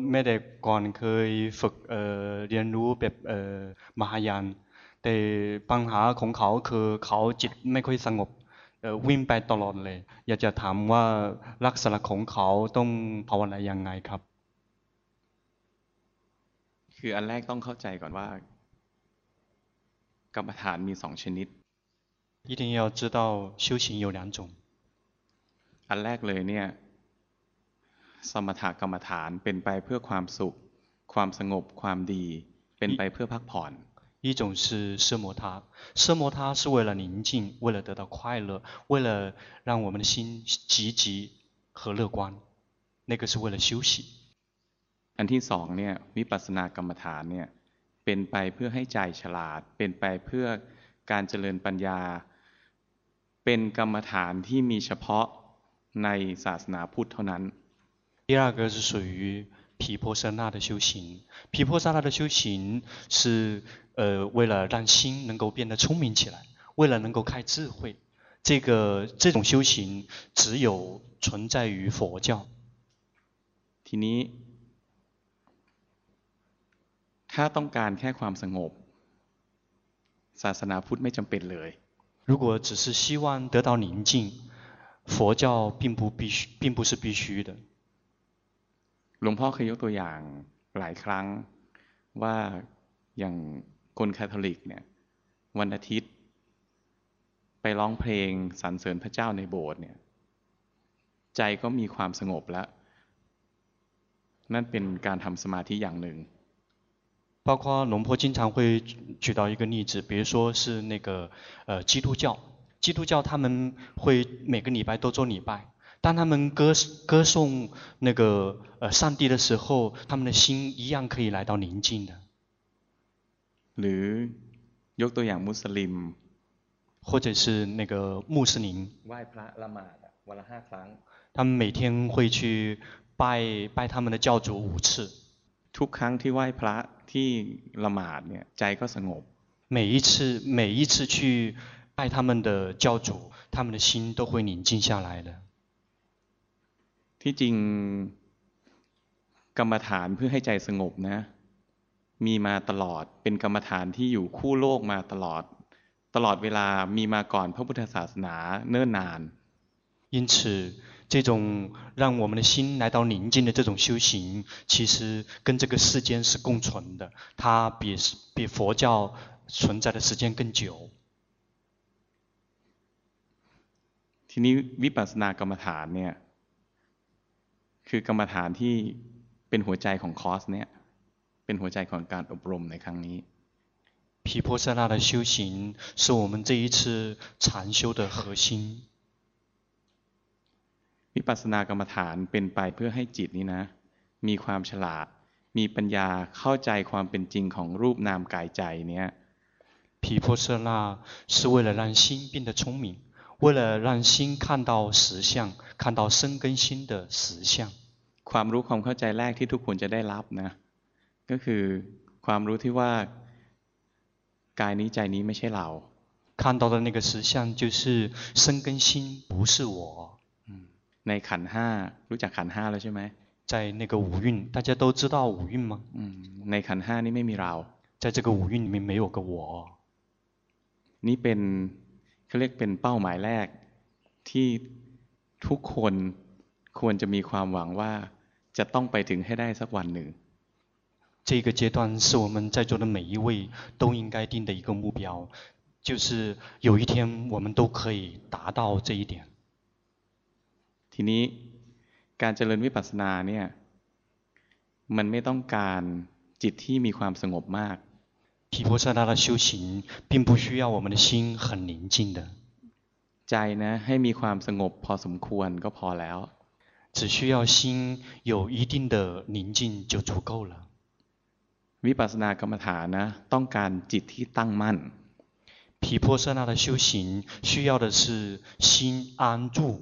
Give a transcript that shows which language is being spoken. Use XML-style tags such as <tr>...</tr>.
<th>ไม่ได้ก่อนเคยฝึกเรียนรู้แบบมหายานแต่ปัญหาของเขาคือเขาจิตไม่ค่อยสงบวิ่งไปตลอดเลยอยากจะถามว่าลักษณะของเขาต้องภาวนายังไงครับ คืออันแรกต้องเข้าใจก่อนว่ากรรมฐานมีสองชนิด</th> <zh>一定要知道修行有两种</zh> <th>อันแรกเลยเนี่ยสมถกรรมฐานเป็นไปเพื่อความสุขความสงบความดีเป็นไปเพื่อพักผ่อน</th> <zh>一种是奢摩他，奢摩他是为了宁静，为了得到快乐，为了让我们的心积极和乐观，那个是为了休息。</zh> <th>อันที่สองเนี่ยวิปัสสนากรรมฐานเนี่ยเป็นไปเพื่อให้ใจฉลาดเป็นไปเพื่อการเจริญปัญญาเป็นกรรมฐานที่มีเฉพาะในศาสนาพุทธเท่านั้น</th> <zh>第二个是属于毗婆舍那的修行，毗婆舍那的修行是为了让心能够变得聪明起来，为了能够开智慧，这种修行只有存在于佛教。</zh> <th>ทีนี้ถ้าต้องการแค่ความสงบศาสนาพุทธไม่จําเป็นเลย</th> <zh>如果只是希望得到宁静佛教并不是必须的。</zh> <th>หลวงพ่อเคยยกตัวอย่างหลายครั้งว่าอย่างคนคาทอลิกเนี่ยวันอาทิตย์ไปร้องเพลงสรรเสริญพระเจ้าในโบสถ์เนี่ยใจก็มีความสงบแล้วนั่นเป็นการทำสมาธิอย่างหนึ่ง</th> <zh>包括龙婆经常会举到一个例子，比如说是那个基督教，基督教他们会每个礼拜都做礼拜。当他们歌颂那个上帝的时候，他们的心一样可以来到宁静的。</zh> <th>หรือยกตัวอย่างมุสลิม，</th> <zh>或者是那个穆斯林。</zh> <th>ไหว้พระละหมาดวันละห้าครั้ง。</th> <zh>他们每天会去拜他们的教主五次。</zh> <th>ทุกครั้งที่ไหว้พระที่ละหมาดเนี่ยใจก็สงบ。</th> <zh>每一次去拜他们的教主，他们的心都会宁静下来的。</zh> <th>ที่จริงกรรมฐานเพื่อให้ใจสงบนะมีมาตลอดเป็นกรรมฐานที่อยู่คู่โลกมาตลอดเวลามีมาก่อนพระพุทธศาสนาเนิ่นนาน</th> <zh>因此这种让我们的心来到宁静的这种修行其实跟这个世间是共存的它比佛教存在的时间更久</zh> <th>ทีนี้วิปัสสนากรรมฐานเนี่ยคือกรรมฐานที่เป็นหัวใจของคอร์สเนี่ยเป็นหัวใจของการอบรมในครั้งนี้</th> <zh>毗婆舍那的修行是我们这一次禅修的核心</zh> <th>วิปัสสนากรรมฐานเป็นไปเพื่อให้จิตนี้นะมีความฉลาดมีปัญญาเข้าใจความเป็นจริงของรูปนามกายใจเนี่ย</th> <zh>毗婆舍那是为了让心变得聪明为了让心看到实相看到身跟心的实相</zh> <th>ความรู้ความเข้าใจแรกที่ทุกคนจะได้รับนะก็คือความรู้ที่ว่ากายนี้ใจนี้ไม่ใช่เรา</th> <zh>看到的那个实相就是身跟心不是我。</zh> <th>ในขันห้ารู้จักขันห้าแล้วใช่ไหม</th> <zh>在那个五蕴大家都知道五蕴吗</zh> <th>ในขันห้านี่ไม่มีเรา</th> <zh>在这个五蕴里面没有个我</zh> <th>นี่เป็นเขาเรียกเป็นเป้าหมายแรกที่ทุกคนควรจะมีความหวังว่าจะต้องไปถึงให้ได้สักวันหนึ่ง</th> <zh>这个阶段是我们在座的每一位都应该定的一个目标就是有一天我们都可以达到这一点</zh> <th>ทีนี้การเจริญวิปัสสนาเนี่ยมันไม่ต้องการจิตที่มีความสงบมาก</th> <zh>วิปัสสนา的修行并不需要我们的心很宁静的</zh> <th>ใจนะให้มีความสงบพอสมควรก็พอแล้ว</th> <zh>只需要心有一定的宁静就足够了</zh> <th>วิปัสสนากรรมฐานนะต้องการจิตที่ตั้งมั่น</th> <zh>วิปัสสนา的修行需要的是心安住</zh>